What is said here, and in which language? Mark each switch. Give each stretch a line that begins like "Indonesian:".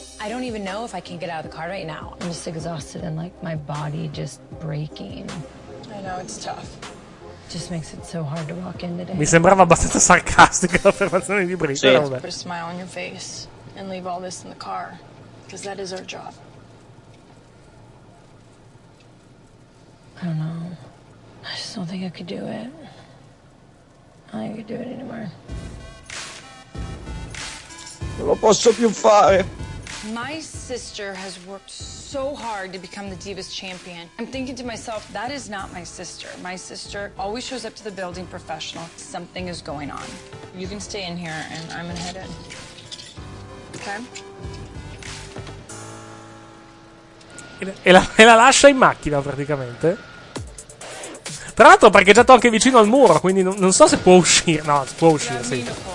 English: I don't even know if I can get out of the car right now. I'm just exhausted and like my body just breaking. I know it's tough. Just makes it so hard to walk in today.
Italian: Mi sembrava abbastanza sarcastica l'affermazione di Brito. Sì. Vabbè.
English: Put a smile on your face and leave all this in the car, because that is our job. I don't know. I just don't think I could do it. I don't think I could do it anymore.
Italian: Non lo posso più fare.
English: My sister has worked so hard to become the Divas champion. I'm thinking to myself, that is not my sister. My sister always shows up to the building professional. Something is going on. You can stay in here and I'm gonna head in. Okay?
Italian: E la lascia in macchina praticamente. Tra l'altro perché è già anche vicino al muro, quindi non so se può uscire. No, può uscire, sì.